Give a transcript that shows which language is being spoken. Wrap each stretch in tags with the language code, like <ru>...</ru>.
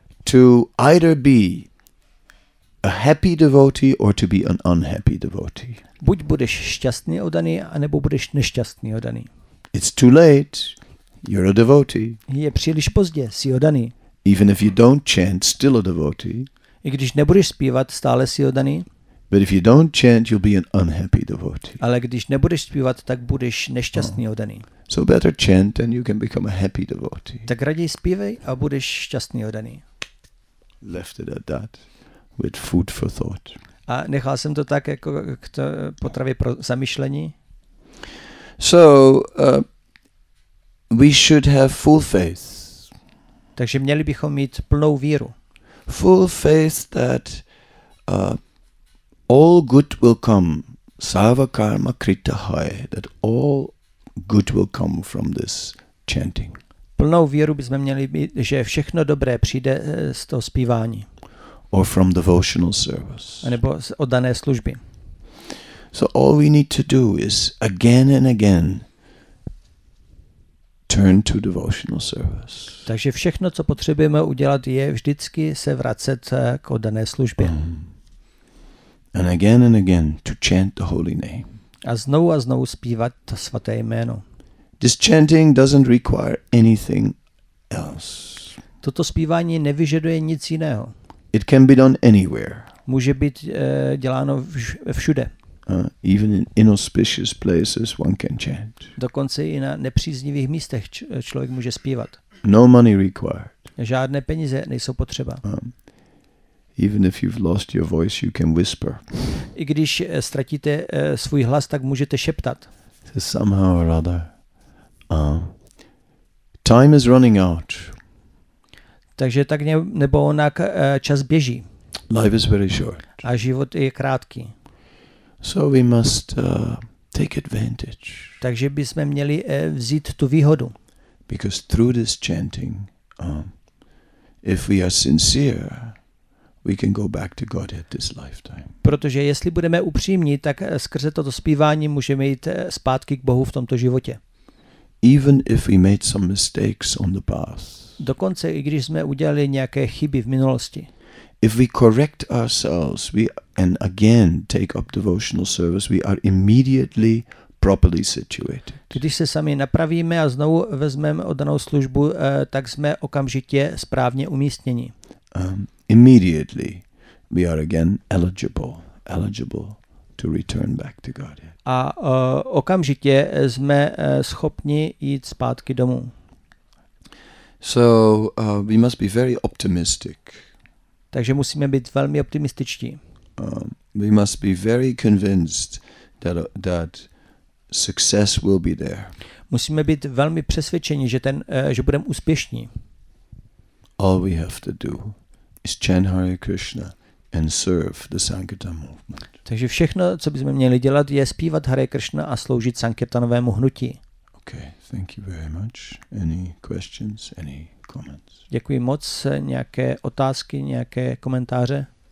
<en>To either be a happy devotee or to be an unhappy devotee.</en> <cs>Buď budeš šťastný oddaný, anebo budeš nešťastný oddaný.</cs> <en>It's too late. You're a devotee.</en> <cs>Je příliš pozdě, jsi oddaný.</cs> <en>Even if you don't chant, still a devotee.</en> <cs>I když nebudeš zpívat, stále jsi oddaný.</cs> <en>But if you don't chant, you'll be an unhappy devotee.</en> <cs>Ale když nebudeš zpívat, tak budeš nešťastný oddaný.</cs> <en>So better chant and you can become a happy devotee.</en> <cs>Tak raději zpívej a budeš šťastný oddaný.</cs> <en>Left it at that, with food for thought.</en> <cs>A nechal jsem to tak jako k to potravě pro zamyšlení.</cs> <en>So we should have full faith.</en> <cs>Takže měli bychom mít plnou víru.</cs> <en>Full faith that all good will come,</en> <sa>sarva karma krita hai,</sa> <en>that all good will come from this chanting.</en> <cs>Plnou víru bychom měli mít, že všechno dobré přijde z toho zpívání.</cs> <en>Or from devotional service.</en> <cs>A nebo z oddané služby.</cs> <en>So all we need to do is again and again turn to devotional service.</en> <cs>Takže všechno, co potřebujeme udělat, je vždycky se vracet k oddané službě.</cs> <en>And again and again to chant the holy name.</en> <cs>A znovu zpívat to svaté jméno.</cs> <en>This chanting doesn't require anything else.</en> <cs>Toto zpívání nevyžaduje nic jiného.</cs> <en>It can be done anywhere.</en> <cs>Může být děláno všude.</cs> <en>Even in inauspicious places one can chant.</en> <cs>Dokonce i na nepříznivých místech člověk může zpívat.</cs> <en>No money required.</en> <cs>Žádné peníze nejsou potřeba.</cs> <en>Even if you've lost your voice, you can whisper.</en> <cs>I když ztratíte svůj hlas, tak můžete šeptat.</cs> <en>So somehow or other, time is running out.</en> <cs>Takže tak nebo onak čas běží.</cs> <en>Life is very short.</en> <cs>A život je krátký.</cs> <en>So we must take advantage.</en> <cs>Takže bychom měli vzít tu výhodu.</cs> <en>Because through this chanting, if we are sincere, we can go back to Godhead this lifetime.</en> <cs>Protože jestli budeme upřímní, tak skrze toto zpívání můžeme jít zpátky k Bohu v tomto životě.</cs> <en>Even if we made some mistakes on the path.</en> <cs>Dokonce i když jsme udělali nějaké chyby v minulosti.</cs> <en>If we correct ourselves, and again take up devotional service, we are immediately properly situated.</en> <cs>Když se sami napravíme a znovu vezmeme oddanou službu, tak jsme okamžitě správně umístěni.</cs> <en>Immediately we are again eligible to return back to God.</en> <cs>A okamžitě jsme schopni jít zpátky domů.</cs> <en>So we must be very optimistic.</en> <cs>Takže musíme být velmi optimističtí.</cs> <en>We must be very convinced that success will be there.</en> <cs>Musíme být velmi přesvědčeni, že budeme úspěšní.</cs> <en>All we have to do is chant Hare Krishna and serve the Sankirtan movement.</en> <cs>Takže všechno, co bychom měli dělat, je zpívat Hare Krishna a sloužit Sankirtanovému hnutí.</cs> <en>Okay, thank you very much. Any questions? Any comments?</en> <cs>Děkuji moc. Nějaké otázky, nějaké komentáře?</cs>